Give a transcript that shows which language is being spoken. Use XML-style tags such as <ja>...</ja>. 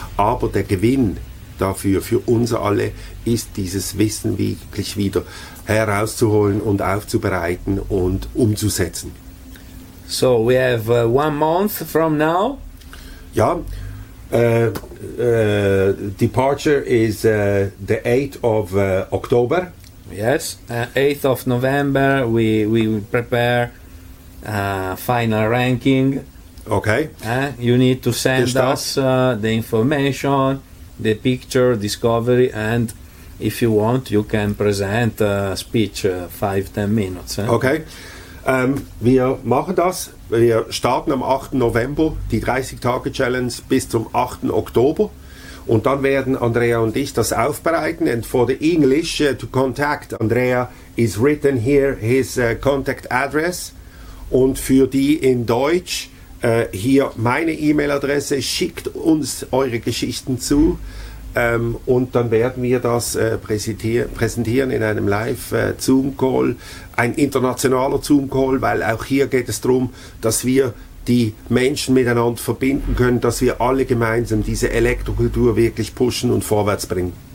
<de>Aber der Gewinn dafür, für uns alle, ist dieses Wissen wirklich wieder herauszuholen und aufzubereiten und umzusetzen.</de> <en>So, we have one month from now. Ja, departure is the 8th of October. Yes, 8th of November we prepare final ranking. Okay. You need to send us the information, the picture, discovery, and if you want, you can present a speech 5-10 minutes.</en> <de>Okay. Wir machen das. Wir starten am 8. November die 30-Tage-Challenge bis zum 8. Oktober. Und dann werden Andrea und ich das aufbereiten.</de> <en>And for the English to contact Andrea is written here his contact address.</en> <de>Und für die in Deutsch hier meine E-Mail-Adresse. Schickt uns eure Geschichten zu. Und dann werden wir das präsentieren in einem Live-Zoom-Call, ein internationaler Zoom-Call, weil auch hier geht es darum, dass wir die Menschen miteinander verbinden können, dass wir alle gemeinsam diese Elektrokultur wirklich pushen und vorwärts bringen.</de>